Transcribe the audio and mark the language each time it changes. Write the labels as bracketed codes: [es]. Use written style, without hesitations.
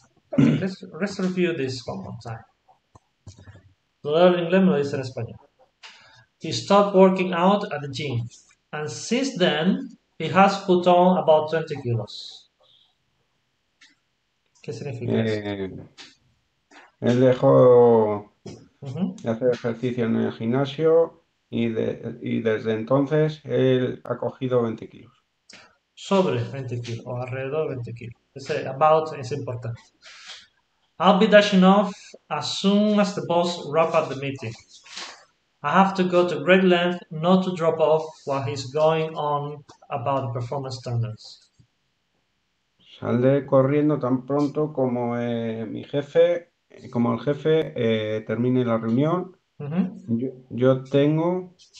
[en] Perfect. Let's review this one more time. Learn English, [es] lo dice en español. [en] He stopped working out at the gym. And since then, he has put on about 20 kilos. [es] ¿Qué significa eso? Él dejó de hacer ejercicio en el gimnasio y desde entonces él ha cogido 20 kilos. Sobre 20 kilos o alrededor de 20 kilos. Ese about es importante. [en] I'll be dashing off as soon as the boss wrap up the meeting. I have to go to great length not to drop off while he's going on about the performance standards. [es] Saldré corriendo tan pronto como mi jefe. Como el jefe termine la reunión, yo tengo